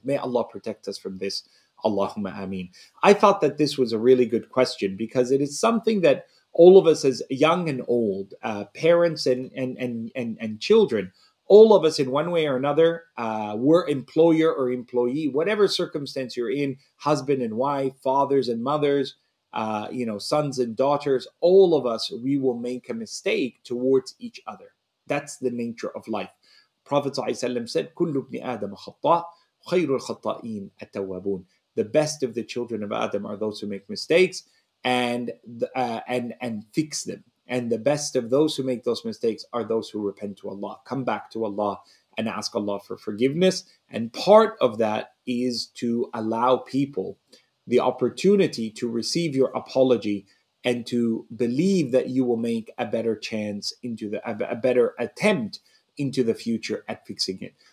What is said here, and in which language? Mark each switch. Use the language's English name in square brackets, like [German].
[English] May Allah protect us from this. Allahumma ameen. I thought that this was a really good question because it is something that all of us as young and old, parents and children, all of us in one way or another, we're employer or employee, whatever circumstance you're in, husband and wife, fathers and mothers, sons and daughters, all of us, we will make a mistake towards each other. That's the nature of life. Prophet ﷺ said, [Arabic] كُلُّ ابْنِ آدَمَ خَطَّاءٌ خَيْرُ الْخَطَّائِينَ التَّوَّابُونَ. [English] The best of the children of Adam are those who make mistakes and fix them. And the best of those who make those mistakes are those who repent to Allah, come back to Allah and ask Allah for forgiveness. And part of that is to allow people the opportunity to receive your apology and to believe that you will make a better chance into a better attempt into the future at fixing it.